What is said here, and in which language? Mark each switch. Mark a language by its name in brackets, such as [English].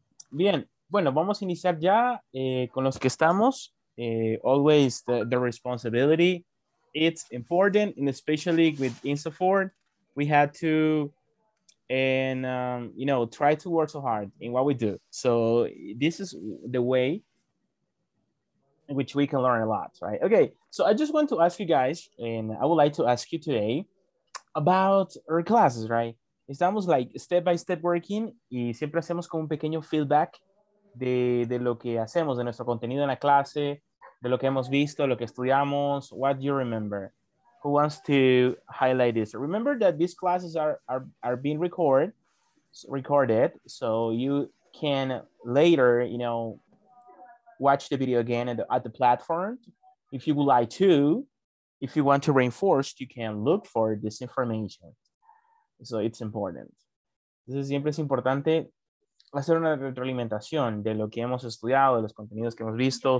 [Spanish] Bien, bueno, vamos a iniciar ya con los que estamos. [English] Always the responsibility. It's important, and especially with Instaford, we had to, and you know, try to work so hard in what we do. So this is the way in which we can learn a lot, right? Okay, so I just want to ask you guys, and I would like to ask you today about our classes, right? [Spanish] Estamos [English] like step by step working [Spanish] y siempre hacemos como un pequeño feedback de lo que hacemos, de nuestro contenido en la clase, de lo que hemos visto, lo que estudiamos. [English] What do you remember? Who wants to highlight this? Remember that these classes are being recorded, so you can later, you know, watch the video again at the platform. If you would like to, if you want to reinforce, you can look for this information. So it's important. [Spanish] Entonces siempre es importante hacer una retroalimentación de lo que hemos estudiado, de los contenidos que hemos visto.